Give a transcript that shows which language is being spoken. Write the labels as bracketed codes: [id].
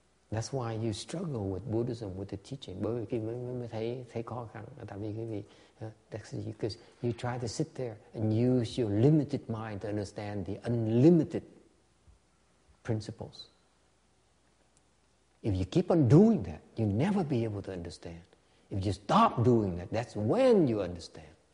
[en] That's why you struggle with Buddhism, with the teaching. [vi] Bởi vì khi mới thấy khó khăn, tại vì cái gì? [en] Because you try to sit there and use your limited mind to understand the unlimited principles. If you keep on doing that, you'll never be able to understand. If you stop doing that, that's when you understand.